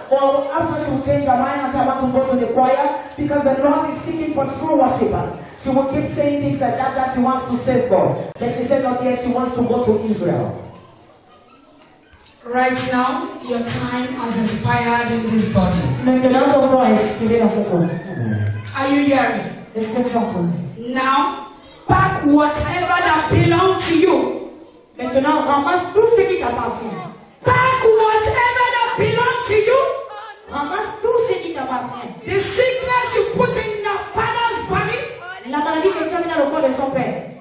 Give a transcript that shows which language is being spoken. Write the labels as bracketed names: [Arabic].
[English] Well, after she'll change her mind and say, I want to go to the choir because the Lord is seeking for true worshippers. She will keep saying things like that, that she wants to save God. Then she said, not yet, she wants to go to Israel. Right now, your time has expired in this body. [French] Maintenant, ton temps est expiré dans ce corps. [English] Are you hearing? [French] Est-ce que tu entends? [English] Now, pack whatever that belongs to you. [French] Maintenant, ramasse tout ce qui t'appartient. [English] Pack whatever that belongs to you. [French] Ramasse tout ce qui t'appartient. [English] The sickness you put in your father's body. [French] La maladie que tu as mis dans le corps de son père.